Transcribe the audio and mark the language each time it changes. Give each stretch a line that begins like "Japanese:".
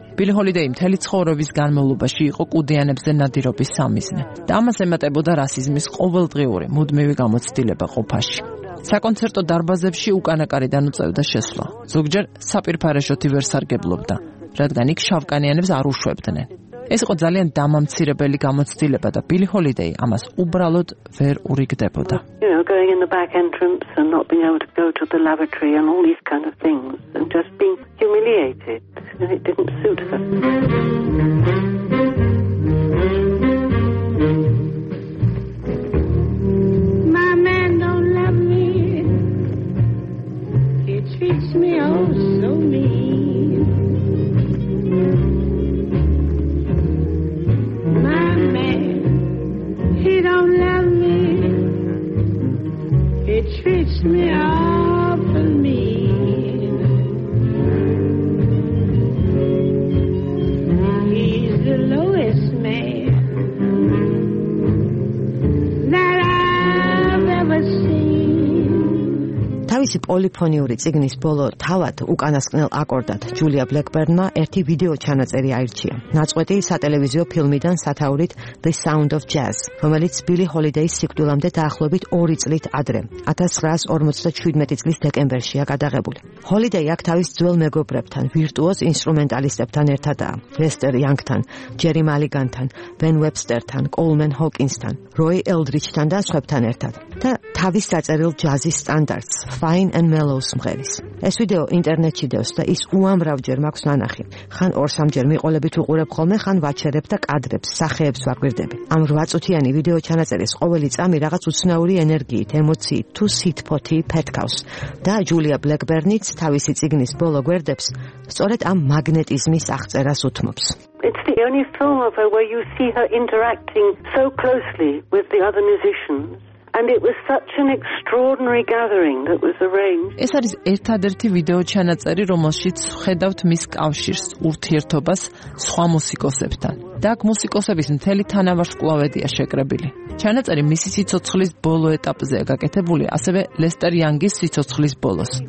Georgian: ბილი ჰოლიდეი მთელი ცხოვრების განმავლობაში იყო კუდიანებზე ნადირობის სამიზნე და ამას ემატებოდა რასიზმის ყოველდღიური მუდმივი გამოცდილება ყოფაში. საკონცერტო დარბაზებში უკანაკარიდან უწევდა შესვლა. ზოგჯერ საპირფარეშოთი ვერ სარგებლობდა, რადგან იქ შავკანიანებს არ უშვებდნენ. ეს იყო ძალიან დამამცირებელი გამოცდილება და ბილი ჰოლიდეი ამას უბრალოდ ვერ ურიგდებოდა.
English: Going in the back entrance and not being able to go to the lavatory and all these kind of things and just being humiliated, and it didn't suit her. My man don't love me, he treats me oh so mean. My man, he don't love me, he treats me awful mean. He's the lowest man that I've ever seen.
Georgian: თავისი პოლიფონიური წიგნის ბოლო თავად უკანასკნელ აკორდად ჯულია ბლეკბერნმა ერთი ვიდეო ჩანაწერი აირჩია. ნაწყვეტი სატელევიზიო ფილმიდან სათაურით The Sound of Jazz, რომელიც ბილი ჰოლიდეის სიკვდილამდე დაახლოებით 2 წლით ადრე, 1957 წლის დეკემბერშია გადაღებული. ჰოლიდეი აქ თავის ძველ მეგობრებთან, ვირტუოზ ინსტრუმენტალისტებთან ერთადაა: ლესტერ იანგთან, ჯერი მალიგანთან, ბენ ვებსტერთან, კოლმენ ჰოკინსთან, როი ელდრიჩთან და სხვებთან ერთად. და თავის საწერილ ჯაზის სტანდარტს, Fine and Mellow სიმღერის. ეს ვიდეო ინტერნეტში დევს და ის უამრავ ჯერ მაქვს ნანახი. ხან 2-3 ჯერ მიყოლებით უყურებ ხოლმე, ხან ვაჩერებ და კადრებს, სახეებს ვაგვირდები. ამ 8 წუთიანი ვიდეო ჩანაწერის ყოველი წამი რაღაც უცნაური ენერგიით, ემოციით თუ სითფოთი ფეთქავს. და ჯულია ბლეკბერნიც თავისი წიგნის ბოლო გვერდებს სწორედ ამ მაგნეტიზმის აღწერას უთმობს.
English: It's the only film of her where you see her interacting so closely with the other musicians. And it was such an extraordinary gathering that was arranged.
Georgian: ეს არის ერთადერთი ვიდეო ჩანაწერი, რომელშიც ხედავთ მის კავშირს ურთიერთობას სხვა მუსიკოსებთან. და აქ მუსიკოსების მთელი თანავარსკვლავედია შეკრებილი. ჩანაწერი მისი სიცოცხლის ბოლო ეტაპზეა გაკეთებული, ასევე ლესტერ იანგის სიცოცხლის ბოლოს.